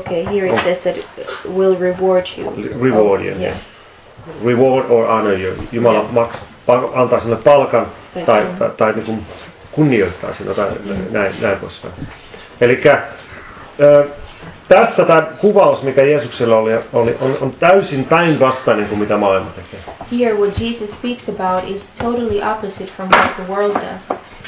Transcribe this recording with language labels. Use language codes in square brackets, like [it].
[en] Okay, here it says that will reward you. Reward you, yeah. Reward or honor you. [fi] Jumala antaa sinulle palkan tai niin kuin kunnioittaa sinua tai näin poispäin. Elikkä tässä tämä kuvaus, mikä Jeesuksella oli on täysin päinvastainen niin kuin mitä maailma tekee. [en] Here what Jesus speaks about is totally opposite from what the world does.